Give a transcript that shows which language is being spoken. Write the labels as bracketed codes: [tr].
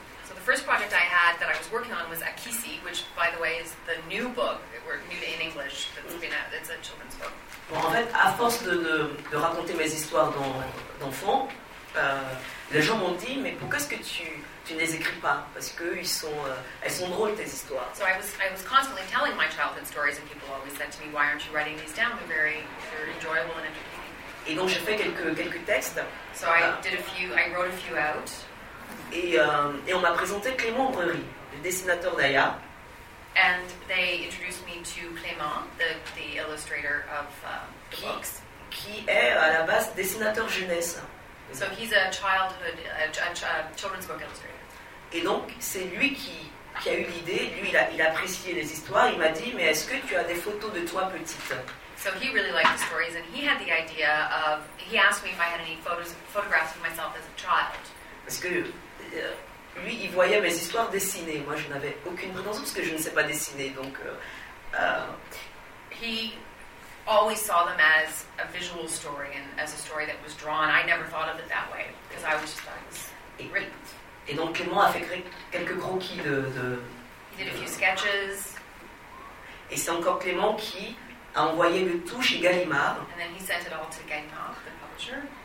[en] So the first project I had that I was working on was Akissi, which, by the way, is the new book. We're new in English. It's a children's book. [fr] Bon, en fait, à force de raconter mes histoires d'enfants, les gens m'ont dit, mais pourquoi est-ce que tu ne les écris pas? Parce qu'elles sont drôles, tes histoires. [en] So I was constantly telling my childhood stories, and people always said to me, why aren't you writing these down? They're very, very enjoyable and entertaining. [fr] Et donc, j'ai fait quelques textes. [en] So I wrote a few out. [fr] Et on m'a présenté Clément Brerie, le dessinateur d'Aya. [en] And they introduced me to Clément, the illustrator of the books. [fr] Qui est à la base dessinateur jeunesse. [en] So he's a childhood, a children's book illustrator. [fr] Et donc, c'est lui qui a eu l'idée. Lui, il a apprécié les histoires. Il m'a dit, mais est-ce que tu as des photos de toi petite? [en] So he really liked the stories, and he had the idea of. He asked me if I had any photographs of myself as a child. [fr] Parce que lui, il voyait mes histoires dessinées. Moi, je n'avais aucune prétention parce que je ne sais pas dessiner. Donc, [en] he always saw them as a visual story and as a story that was drawn. I never thought of it that way because I was just writing. [fr] Et donc Clément a fait quelques croquis de [en] he did a few sketches. [fr] Et c'est encore Clément qui a envoyé le tout chez Gallimard. [en] And then he sent it all to Gallimard, the publisher.